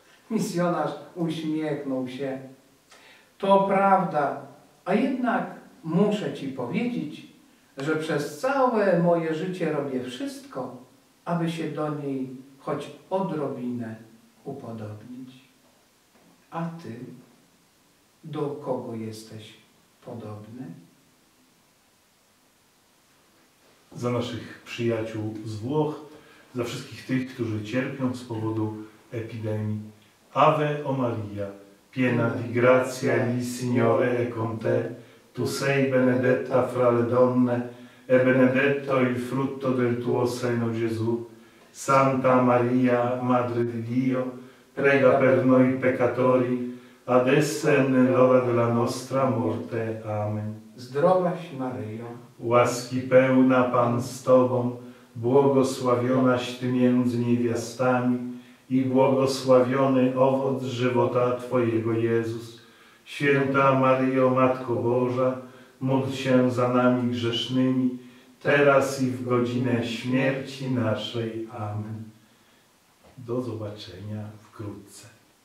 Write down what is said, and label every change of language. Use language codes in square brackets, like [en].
[pl] Misjonarz uśmiechnął się. To prawda, a jednak muszę ci powiedzieć, że przez całe moje życie robię wszystko, aby się do niej choć odrobinę upodobnić. A ty do kogo jesteś podobny? Za naszych przyjaciół z Włoch, za wszystkich tych, którzy cierpią z powodu epidemii. [it] Ave o Maria, piena di grazia il Signore è con te. Tu sei benedetta fra le donne e benedetto il frutto del tuo seno, Gesù. Santa Maria, Madre di Dio, prega per noi peccatori, adesso e nell'ora della nostra morte. Amen. [pl] Zdrowaś Maryjo. Łaski pełna Pan z Tobą, błogosławionaś Ty między niewiastami i błogosławiony owoc żywota Twojego, Jezus. Święta Maryjo, Matko Boża, módl się za nami grzesznymi, teraz i w godzinę śmierci naszej. Amen. Do zobaczenia wkrótce.